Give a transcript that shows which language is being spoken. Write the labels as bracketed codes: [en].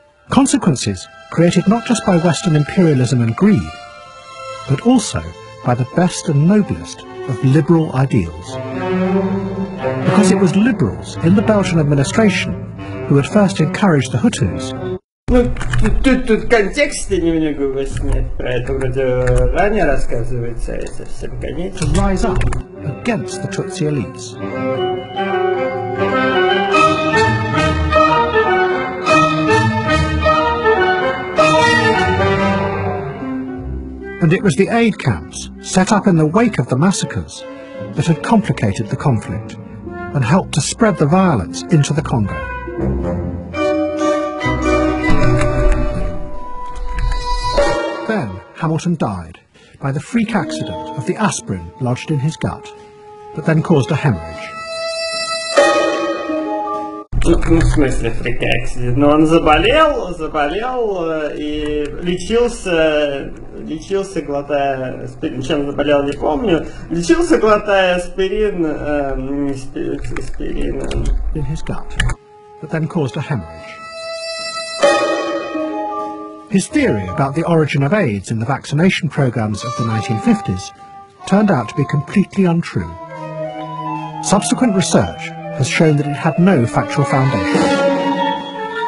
[en] Consequences created not just by Western imperialism and greed, but also by the best and noblest of liberal ideals. Because it was liberals in the Belgian administration who had first encouraged the Hutus. [ru] Тут контекст немного вас нет. Про это вроде ранее рассказывается, это совсем конец. [en] To rise up against the Tutsi elites. And it was the aid camps, set up in the wake of the massacres, that had complicated the conflict and helped to spread the violence into the Congo. Then Hamilton died by the freak accident of the aspirin lodged in his gut, but then caused a hemorrhage. [ru] Ну, в смысле, фрикаксия. Но он заболел и лечился, глотая аспирин. Чем заболел, не помню. Лечился, глотая аспирин, аспирином. [en] In his gut, but then caused a hemorrhage. His theory about the origin of AIDS in the vaccination programs of the 1950s turned out to be completely untrue. Subsequent research has shown that it had no factual foundation.